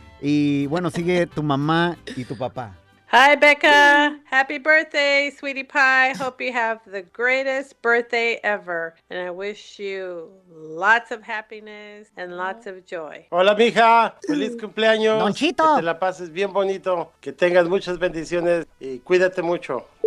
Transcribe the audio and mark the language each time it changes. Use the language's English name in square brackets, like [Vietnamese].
[Spanish] Y bueno, sigue tu mamá y tu papá. [English] Hi, Becca. Happy birthday, sweetie pie. Hope you have the greatest birthday ever. And I wish you lots of happiness and lots of joy. [Spanish] Hola, mija. Feliz cumpleaños. Don Chito. Que te la pases bien bonito. Que tengas muchas bendiciones y cuídate mucho.